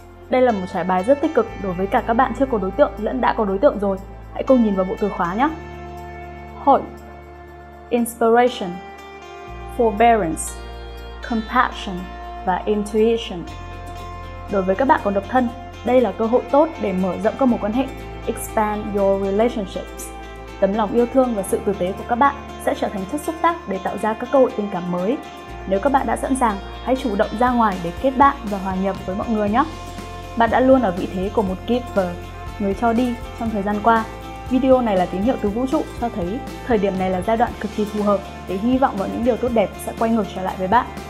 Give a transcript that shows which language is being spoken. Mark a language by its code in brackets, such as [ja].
[vi] Đây là một trải bài rất tích cực đối với cả các bạn chưa có đối tượng lẫn đã có đối tượng rồi. Hãy cùng nhìn vào bộ từ khóa nhé. [en] Hope, Inspiration, Forbearance, Compassion [vi] và Intuition. Đối với các bạn còn độc thân, đây là cơ hội tốt để mở rộng các mối quan hệ. [en] Expand your relationships. [vi] Tấm lòng yêu thương và sự tử tế của các bạn sẽ trở thành chất xúc tác để tạo ra các cơ hội tình cảm mới. Nếu các bạn đã sẵn sàng, hãy chủ động ra ngoài để kết bạn và hòa nhập với mọi người nhé. Bạn đã luôn ở vị thế của một giver, người cho đi trong thời gian qua. Video này là tín hiệu từ vũ trụ cho thấy thời điểm này là giai đoạn cực kỳ phù hợp để hy vọng vào những điều tốt đẹp sẽ quay ngược trở lại với bạn.